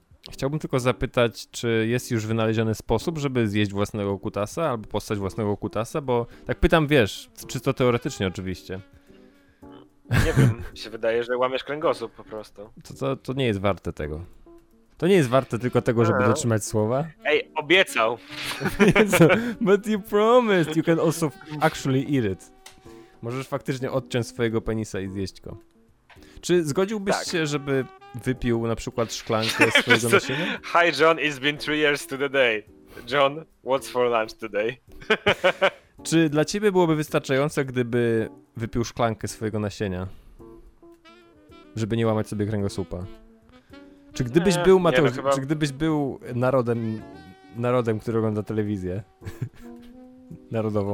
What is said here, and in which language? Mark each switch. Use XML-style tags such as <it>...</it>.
<pl>Chciałbym tylko zapytać, czy jest już wynaleziony sposób, żeby zjeść własnego kutasa, albo postać własnego kutasa, bo tak pytam, wiesz, czysto teoretycznie oczywiście. Nie wiem, się wydaje, że łamiesz kręgosłup po prostu. To nie jest warte tego. To nie jest warte tylko tego, żeby dotrzymać słowa. Ej, obiecał.</pl> <en>But you promised, you can also actually eat it.</en> <pl>Możesz faktycznie odciąć swojego penisa i zjeść go. Czy zgodziłbyś tak. się, żeby wypił na przykład szklankę swojego nasienia?</pl> <en>Hi John, it's been 3 years to the day. John, what's for lunch today?</en> <pl>Czy dla ciebie byłoby wystarczające, gdyby wypił szklankę swojego nasienia? Żeby nie łamać sobie kręgosłupa. Czy gdybyś był, Mateusz, nie, no chyba... czy gdybyś był narodem, który ogląda telewizję? Narodową.</pl>